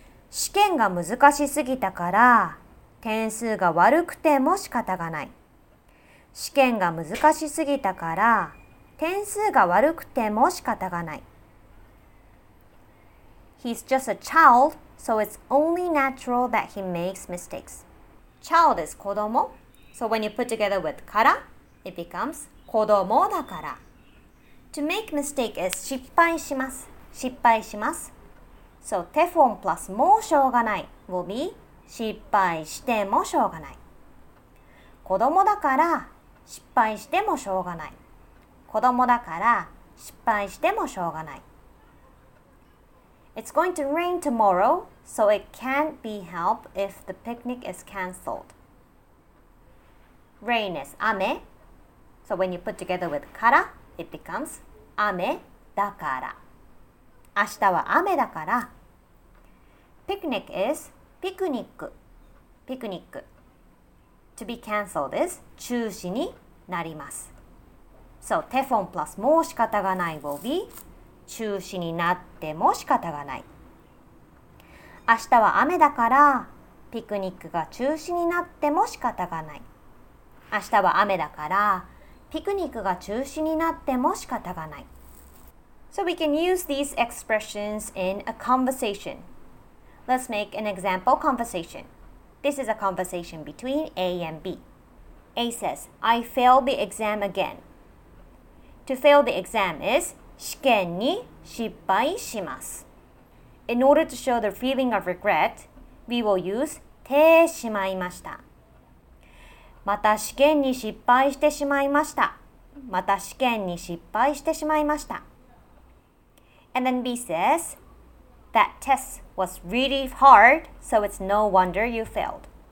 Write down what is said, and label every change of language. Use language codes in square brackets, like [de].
[ja] 試験が難しすぎたから点数が悪くても仕方がない。試験が難しすぎたから点数が悪くても仕方がない。 [en] He's just a child, so it's only natural that he makes mistakes. Child is 子供。So when you put together with から, it becomes 子供だから。 To make mistake is [ja] 失敗します。失敗します。 [en] So テフォン plus もうしょうがない will be 失敗してもしょうがない。 [ja] 子供だから失敗してもしょうがない。子供だから失敗してもしょうがない。 [en] It's going to rain tomorrow, so it can't be helped if the picnic is cancelled. Rain is 雨, so when you put together with から, it becomes 雨だから. [ja] 明日は雨だから. [en] Picnic is ピクニック, ピクニック. To be cancelled is 中止になります. So テフォン plus もう仕方がない will be 中止になっても仕方がない。 [ja] 明日は雨だからピクニックが中止になっても仕方がない。明日は雨だからピクニックが中止になっても仕方がない。 [en] So we can use these expressions in a conversation. Let's make an example conversation. This is a conversation between A and B. A says, I failed the exam again. To fail the exam is... [ja] 試験に失敗します。 [en] In order to show the feeling of regret, we will use てしまいました。 [ja] また試験に失敗してしまいました。また試験に失敗してしまいました。 [en] And then B says, that test was really hard, so it's no wonder you failed.